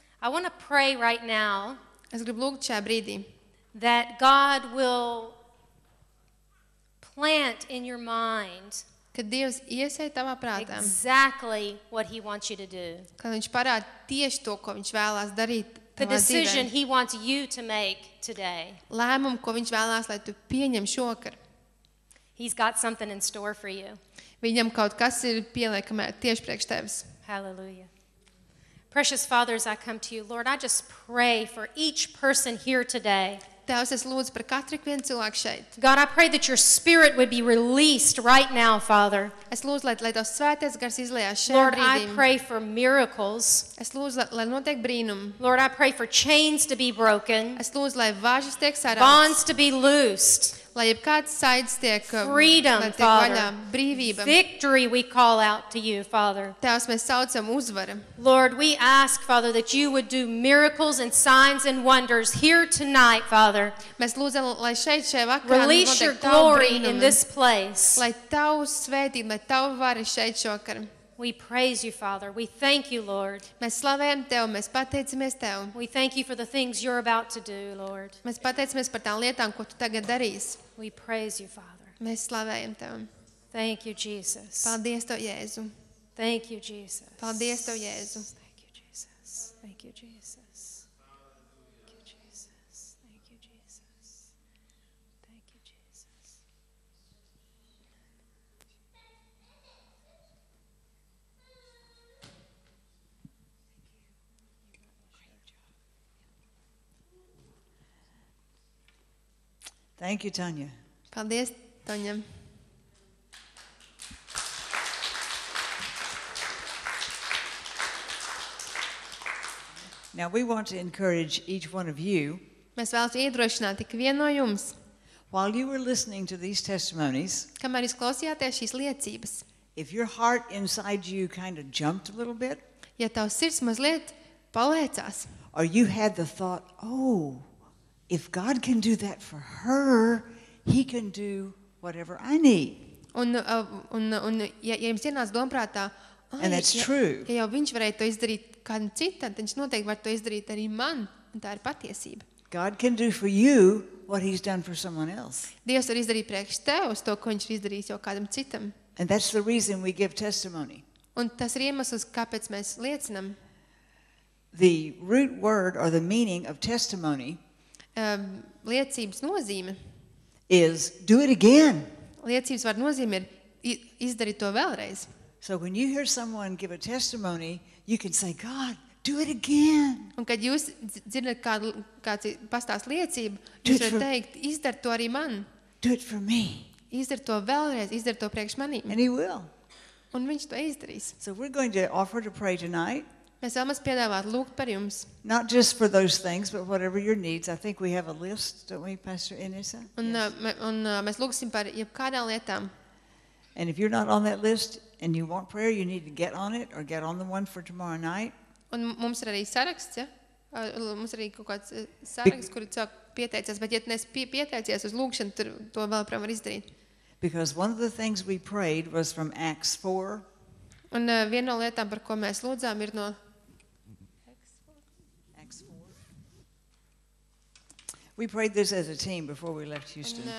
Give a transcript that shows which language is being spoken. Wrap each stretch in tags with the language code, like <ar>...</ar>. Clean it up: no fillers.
<en>I want to pray right now.</en> <lv>Es gribu lūgt šajā brīdī.</lv> <en>That God will plant in your mind.</en> <lv>Kad Dievs iesēj tavā prātā.</lv> <en>Exactly what he wants you to do.</en> <lv>Kad viņš parāda tieši to, ko viņš vēlās darīt tavā dzīvē.</lv> <en>The decision he wants you to make today.</en> <lv>Lēmumu, ko viņš vēlās, lai tu pieņem šokar.</lv> <en>He's got something in store for you.</en> <lv>Viņam kaut kas ir pieliekamē tieši priekš tevis.</lv> <en>Hallelujah. Precious Father, as I come to you, Lord, I just pray for each person here today.</en> <lv>Tevs, es lūdzu par katru vienu cilvēku šeit.</lv> <en>God, I pray that your spirit would be released right now, Father.</en> <lv>Es lūdzu, lai tavs svētais gars izlējās šeit</lv> <en>Lord,</en> <lv>brīdīm.</lv> <en>I pray for miracles.</en> <lv>Es lūdzu, lai notiek brīnumi.</lv> <en>Lord, I pray for chains to be broken.</en> <lv>Es lūdzu, lai vāžas tiek sarauts.</lv> <en>Bonds to be loosed.</en> <lv>Lai jebkāds saites tiek</lv> <en>freedom,</en> <lv>lai tiek vaļā brīvība.</lv> <en>Victory we call out to you, Father.</en> <lv>Tevs, mēs saucam uzvaru.</lv> <en>Lord, we ask, Father, that you would do miracles and signs and wonders here tonight, Father.</en> <lv>Mēs lūdzam, lai šeit šajā vakarā</lv> <en>release your glory in this place.</en> <lv>Lai tavu svētību, lai tavu varu šeit šokar.</lv> <en>We praise you, Father. We thank you, Lord.</en> <lv>Mēs slavējam Tev, mēs pateicamies Tev.</lv> <en>We thank you for the things you're about to do, Lord.</en> <lv>Mēs pateicamies par tām lietām, ko Tu tagad darīsi.</lv> <en>We praise you, Father.</en> <lv>Mēs slavējam Tev.</lv> <en>Thank you, Jesus.</en> <lv>Paldies Tev, Jēzu.</lv> <en>Thank you, Jesus.</en> <lv>Paldies Tev, Jēzu.</lv> <en>Thank you, Jesus. Thank you, Jesus. Thank you, Tonja.</en> <lv>Paldies, Tonja.</lv> <en>Now we want to encourage each one of you.</en> <lv>Mēs vēlas iedrošināt tik vienu no jums.</lv> <en>While you were listening to these testimonies,</en> <lv>kamēr jūs klausījāties šīs liecības,</lv> <en>if your heart inside you kind of jumped a little bit,</en> <lv>ja tavs sirds mazliet palēcās,</lv> <en>or you had the thought, oh, if God can do that for her, he can do whatever I need.</en> <lv>Un ja jums ienāca domprātā,</lv> <en>and that's true.</en> <lv>Ja jau viņš varēja to izdarīt kādam citam, tad viņš noteikti var to izdarīt arī man, un tā ir patiesība.</lv> <en>God can do for you what he's done for someone else.</en> <lv>Dievs var izdarīt priekš tev to, ko viņš izdarīs jau kādam citam.</lv> <en>And that's the reason we give testimony.</en> <lv>Un tas ir iemesls, kāpēc mēs liecinam.</lv> <en>The root word or the meaning of testimony</en> <lv>liecības nozīme</lv> <en>is do it again.</en> <lv>Liecības var nozīme ir izdarīt to vēlreiz.</lv> <en>So when you hear someone give a testimony, you can say, God, do it again.</en> <lv>Un kad jūs dzirdat kāds pastāst liecību, jūs varat teikt, izdar to arī man.</lv> <en>Do it for me.</en> <lv>Izdar to vēlreiz, izdar to priekš manīm.</lv> <en>And he will.</en> <lv>Un viņš to izdarīs.</lv> <en>So we're going to offer to pray tonight.</en> <lv>Mēs vēlamies piedāvāt lūgt par jums.</lv> <en>Not just for those things, but whatever your needs. I think we have a list, don't we, Pastor Inisa?</en> <lv>Mēs lūgsim par jebkādām lietām.</lv> <en>And if you're not on that list and you want prayer, you need to get on it or get on the one for tomorrow night.</en> <lv>Un mums ir arī saraksts, ja? Mums ir arī kaut kāds saraksts, kur cilvēki pieteicies, bet ja tu neesi pieteicies uz lūgšanu, tur to vēl prom var izdarīt.</lv> <en>Because one of the things we prayed was from Acts 4.</en> <lv>Un viena no lietām, par ko mēs lūdzām, ir no</lv> <en>We prayed this as a team before we left Houston.</en>